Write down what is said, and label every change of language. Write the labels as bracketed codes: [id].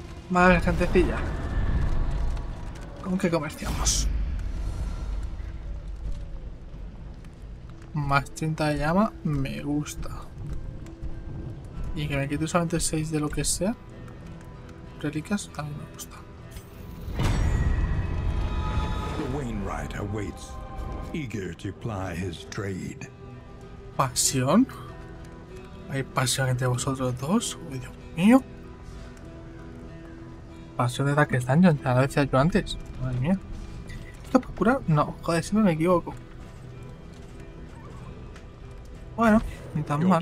[es] Madre gentecilla, ¿con qué comerciamos? Más 30 de llama, me gusta. Y que me quite solamente 6 de lo que sea, reliquias, también me gusta. [en] The Wainwright awaits, eager to ply his trade. [es] ¿Pasión? ¿Hay pasión entre vosotros dos? ¡Uy, Dios mío! Pasión de ataques daño, ya lo decía yo antes. Madre mía. ¿Esto es para curar? No, joder, siempre me equivoco. Bueno, ni tan mal.